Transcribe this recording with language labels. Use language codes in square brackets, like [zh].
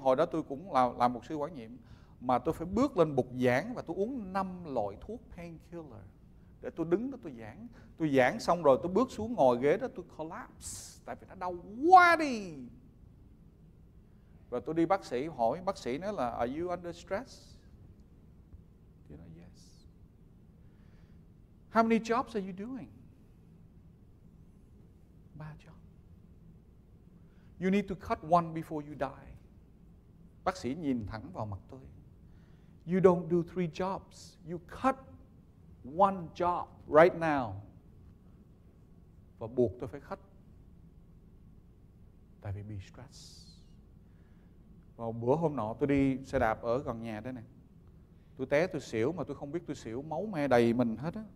[vi] Hồi đó tôi cũng làm một sư quản nhiệm. Mà tôi phải bước lên bục giảng và tôi uống 5 loại thuốc painkiller. để tôi đứng đó tôi giảng. Tôi giảng xong rồi tôi bước xuống ngồi ghế đó tôi collapse, tại vì nó đau quá đi. Và tôi đi bác sĩ hỏi, bác sĩ nói là [en] are you under stress? [vi] Tôi nói [en] yes. How many jobs are you doing? 3 job. You need to cut one before you die. [vi] Bác sĩ nhìn thẳng vào mặt tôi. [en] You don't do 3 jobs. You cut 1 job right now. [vi] Và buộc tôi phải [en] cut. [vi] Tại vì bị stress. Vào bữa hôm nọ tôi đi xe đạp ở gần nhà đây nè. Tôi té tôi xỉu mà tôi không biết tôi xỉu, máu me đầy mình hết á.